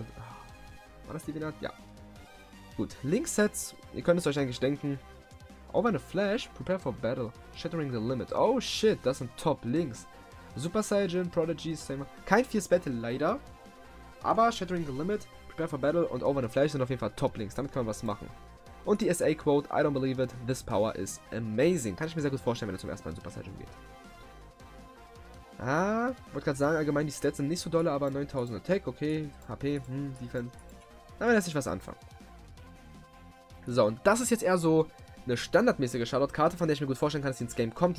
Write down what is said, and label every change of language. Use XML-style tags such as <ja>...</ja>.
<de>Und, oh. War das Divinat? Ja. Gut. Link Sets. Ihr könnt es euch eigentlich denken.</de> <en>Over eine Flash. Prepare for battle. Shattering the limit. Oh shit.</en> <de>Das sind top Links. Super Saiyan. Prodigy. Same. Kein Fierce Battle, leider. Aber Shattering the limit. Prepare for Battle und Over the Flash sind auf jeden Fall Top-Links, damit kann man was machen. Und die SA-Quote,</de> <en>I don't believe it, this power is amazing.</en> <de>Kann ich mir sehr gut vorstellen, wenn er zum ersten Mal in Super Saiyan geht. Ah, wollte gerade sagen, allgemein die Stats sind nicht so dolle, aber 9000 Attack, okay, HP, Defense. Aber lässt sich was anfangen. So, und das ist jetzt eher so eine standardmäßige Shoutout-Karte, von der ich mir gut vorstellen kann, dass sie ins Game kommt.</de>